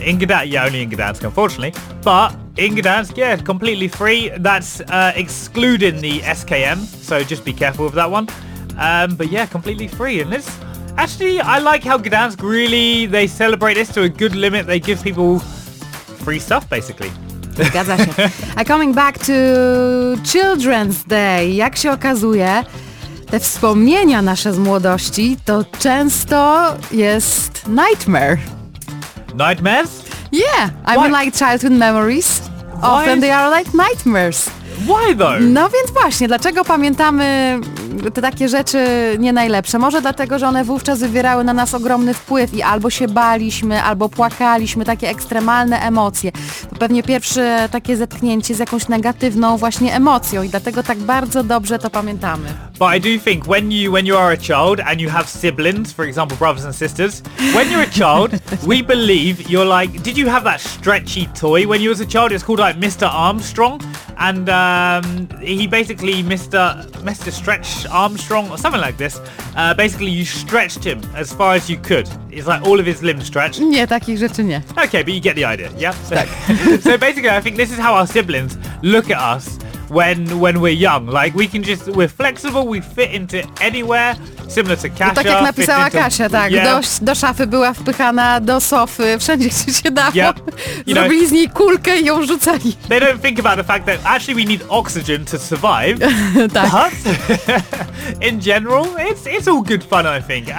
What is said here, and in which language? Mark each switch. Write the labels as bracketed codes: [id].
[en] In Gdansk, yeah, only in Gdansk, unfortunately. But in Gdansk, yeah, completely free. That's excluding the SKM, so just be careful with that one. But yeah, completely free. And this, actually, I like how Gdansk really, they celebrate this to a good limit. They give people free stuff, basically. [pl] Zgadza się. [en] Coming back to Children's Day, [pl] jak się okazuje, te wspomnienia nasze z młodości to często jest nightmare. [en] Nightmares? Yeah, I mean like childhood memories. Why? Often they are like nightmares. Why though? [pl] No więc właśnie, dlaczego pamiętamy te takie rzeczy nie najlepsze? Może dlatego, że one wówczas wywierały na nas ogromny wpływ i albo się baliśmy, albo płakaliśmy, takie ekstremalne emocje. To pewnie pierwsze takie zetknięcie z jakąś negatywną właśnie emocją i dlatego tak bardzo dobrze to pamiętamy. [en] But I do think when you are a child and you have siblings, for example brothers and sisters, when you're a child, we believe you're like, did you have that stretchy toy when you was a child? It's called like Mr. Armstrong. And he basically, Mr. Stretch Armstrong, or something like this, basically you stretched him as far as you could. It's like all of his limbs stretched. [pl] Nie, takich rzeczy nie. [en] Okay, but you get the idea, yeah? [pl] Tak. [en] So basically, I think this is how our siblings look at us when we're young. Like, we're flexible, we fit into anywhere, similar to Kasia. [pl] No tak jak napisała Kasia, tak. [en] Yeah. [pl] Do szafy była wpychana, do sofy, wszędzie się dało. [en] Yep. [pl] Zrobili z niej kulkę i ją rzucali. [en] They don't think about the fact that actually we need oxygen to survive. [pl] Tak. [en] But in general, it's all good fun, I think.